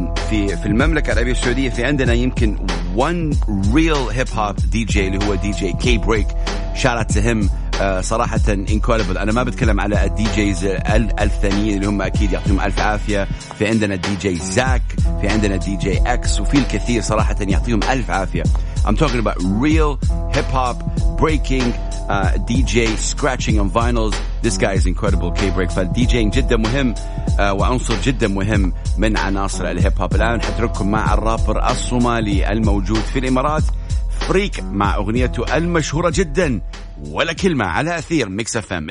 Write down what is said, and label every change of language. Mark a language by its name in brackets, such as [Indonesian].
[Arabic] في المملكة العربية السعودية في عندنا يمكن [English] one real hip hop DJ [Arabic] اللي هو DJ K-Break, [English] shout out to him. [Arabic] صراحة [English] incredible. [Arabic] أنا ما بتكلم على الدي جيز الثانيين اللي هم أكيد يعطيهم ألف عافية, في عندنا الدي جي زاك, في عندنا الدي جي أكس, وفي الكثير صراحة يعطيهم ألف عافية. [English] I'm talking about real hip hop breaking DJ scratching on vinyls. This guy is incredible, K-Break. [Arabic] فالDJing جدا مهم وعنصر جدا مهم من عناصر الهيب هوب. الآن حتركم مع الرابر الصومالي الموجود في الإمارات فريك مع أغنيته المشهورة جدا ولا كلمة على أثير Mix FM.